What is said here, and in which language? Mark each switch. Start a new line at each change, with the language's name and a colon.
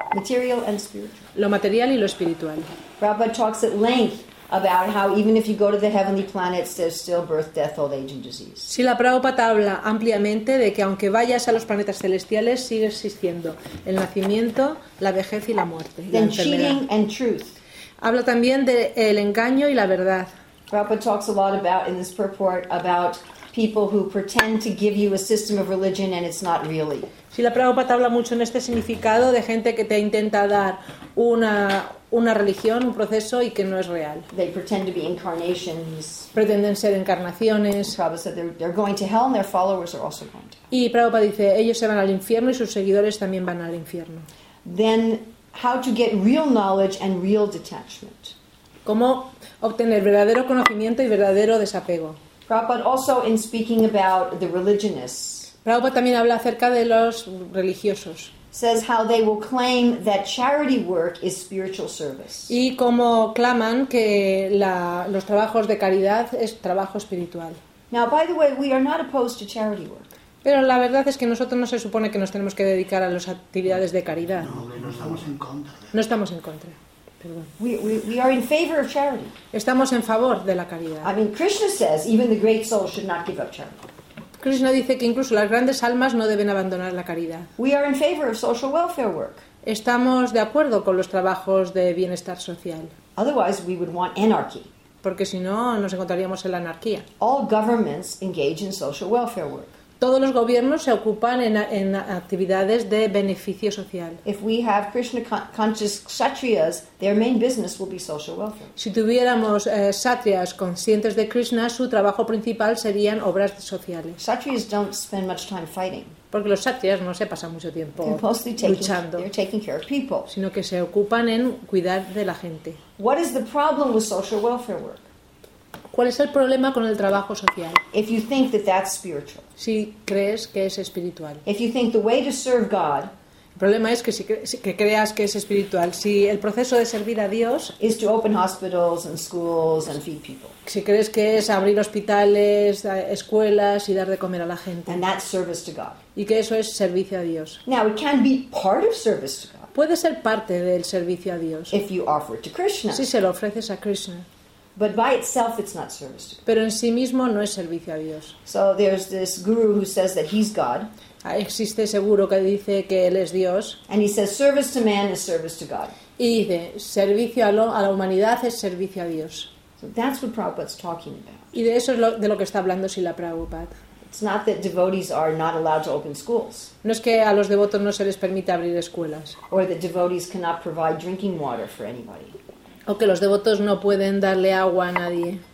English: Material and spiritual.
Spanish: Lo material y lo espiritual.
English: Prabhupada talks at length about how even if you go to the heavenly planets, there's still birth, death, old age, and disease.
Spanish: Si la Prabhupada habla ampliamente de que aunque vayas a los planetas celestiales, sigue existiendo el nacimiento, la vejez y la muerte.
English: Then
Spanish: la enfermedad.
English: Cheating and truth.
Spanish: Habla también del engaño y la verdad.
English: Prabhupada talks a lot about in this purport about people who pretend to give you a system of religion and it's not really.
Spanish: Si la Prabhupada habla mucho en este significado de gente que te intenta dar una religión, un proceso y que no es real.
English: They pretend to be incarnations.
Spanish: Pretenden ser encarnaciones.
English: Prabhupada said they're going to hell and their followers are also going to hell.
Spanish: Y Prabhupada dice, ellos se van al infierno y sus seguidores también van al infierno.
English: Then how to get real knowledge and real detachment.
Spanish: ¿Cómo obtener verdadero conocimiento y verdadero desapego?
English: Prabhupada also in speaking about the religionists.
Spanish: Prabhupada también habla acerca de los religiosos.
English: Says how they will claim that charity work is spiritual service.
Spanish: Y cómo claman que los trabajos de caridad es trabajo espiritual.
English: Now, by the way, we are not opposed to charity work.
Spanish: Pero la verdad es que nosotros no se supone que nos tenemos que dedicar a las actividades de caridad. No estamos en contra. No estamos en contra. Perdón.
English: We are in favor of charity.
Spanish: Estamos en favor de la caridad.
English: I mean, Krishna says even the great soul should not give up charity.
Spanish: Krishna dice que incluso las grandes almas no deben abandonar la caridad.
English: We are in favor of social welfare work.
Spanish: Estamos de acuerdo con los trabajos de bienestar social.
English: Otherwise, we would want anarchy.
Spanish: Porque si no, nos encontraríamos en la anarquía.
English: All governments engage in social welfare work.
Spanish: Todos los gobiernos se ocupan en actividades de beneficio social.
English: If we have Krishna conscious kshatriyas, their main business will be social welfare.
Spanish: Si tuviéramos kshatriyas conscientes de Krishna, su trabajo principal serían obras sociales.
English: Kshatriyas don't spend much time fighting.
Spanish: Porque los kshatriyas no se pasan mucho tiempo luchando.
English: They're taking care of people.
Spanish: Sino que se ocupan en cuidar de la gente.
English: What is the problem with social welfare work?
Spanish: ¿Cuál es el problema con el trabajo social?
English: If you think that that's spiritual.
Spanish: Si crees que es espiritual.
English: If you think the way to serve God.
Spanish: El problema es que si creas que es espiritual. Si el proceso de servir a Dios.
English: Is to open hospitals and schools and feed people.
Spanish: Si crees que es abrir hospitales, escuelas y dar de comer a la gente.
English: And that's service to God.
Spanish: Y que eso es servicio a Dios.
English: Now it can be part of service to God.
Spanish: Puede ser parte del servicio a Dios.
English: If you offer it to Krishna.
Spanish: Si se lo ofreces a Krishna.
English: But by itself, it's not service to God.
Spanish: Pero en sí mismo no es servicio a Dios.
English: So there's this guru who says that he's God.
Spanish: Existe ese guru que dice que él es Dios.
English: And he says service to man is service to God.
Spanish: Y dice servicio a la humanidad es servicio a Dios.
English: So that's what Prabhupada's talking about.
Spanish: Y de eso es de lo que está hablando Srila Prabhupada.
English: It's not that devotees are not allowed to open schools.
Spanish: No es que a los devotos no se les permite abrir escuelas.
English: Or that devotees cannot provide drinking water for anybody.
Spanish: O que los devotos no pueden darle agua a nadie.